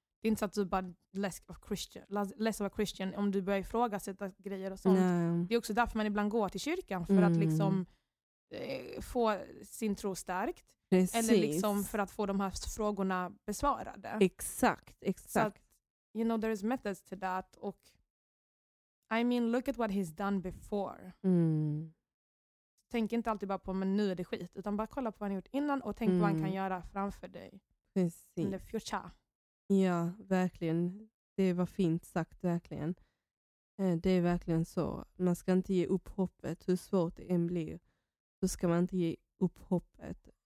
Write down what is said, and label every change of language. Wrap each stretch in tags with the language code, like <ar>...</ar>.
<sv>Det är inte så att du bara</sv> <en>less of a Christian</en> <sv>om du börjar ifrågasätta grejer och sånt. Nej. Det är också därför man ibland går till kyrkan för att liksom få sin tro stärkt. Precis. Eller liksom för att få de här frågorna besvarade. Exakt, exakt.</sv> <en>Så, you know, there is methods to that. Och I mean, look at what he's done before. Mm.</en> <sv>Tänk inte alltid bara på men nu är det skit. Utan bara kolla på vad han gjort innan och tänk på vad han kan göra framför dig. Precis.</sv> <en>In the future.</en> <sv>Ja, verkligen. Det var fint sagt, verkligen. Det är verkligen så. Man ska inte ge upp hoppet. Hur svårt det än blir så ska man inte ge upp hoppet.</sv>